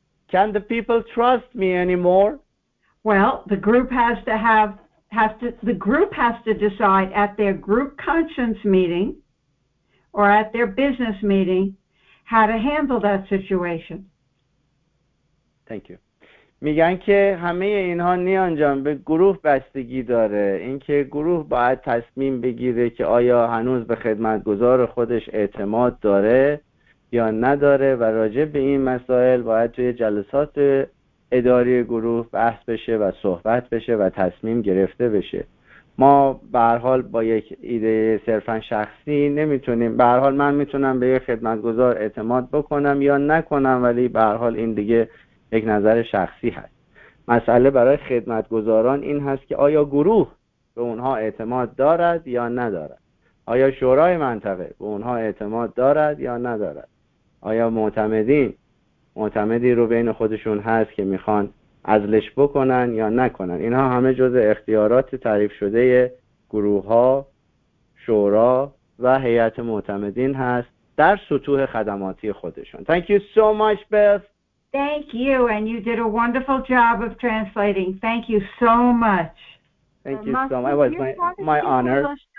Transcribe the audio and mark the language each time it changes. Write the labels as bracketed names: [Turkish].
[English] Can the people trust me anymore? Well, the group has to decide at their group conscience meeting or at their business meeting how to handle that situation. Thank you. [Persian] میگن که همه اینها نیانجام به گروه بستگی داره. اینکه گروه باید تصمیم بگیره که آیا هنوز به خدمتگزار خودش اعتماد داره یا نداره و راجع به این مسائل باید توی جلسات اداری گروه بحث بشه و صحبت بشه و تصمیم گرفته بشه. ما به هر حال با یک ایده صرفا شخصی نمیتونیم، به هر حال من میتونم به یک خدمتگزار اعتماد بکنم یا نکنم، ولی به هر حال این دیگه یک نظر شخصی هست. مسئله برای خدمتگزاران این هست که آیا گروه به اونها اعتماد دارد یا ندارد، آیا شورای منطقه به اونها اعتماد دارد یا ندارد، آیا معتمدی رو بین خودشون هست که میخوان عزلش بکنن یا نکنن. اینها همه جز اختیارات تعریف شده گروه ها، شورا و هیئت معتمدین هست در سطوح خدماتی خودشون. [English] Thank you so much, Beth. Thank you, and you did a wonderful job of translating. Thank you so much. Thank you so much. It was my honor.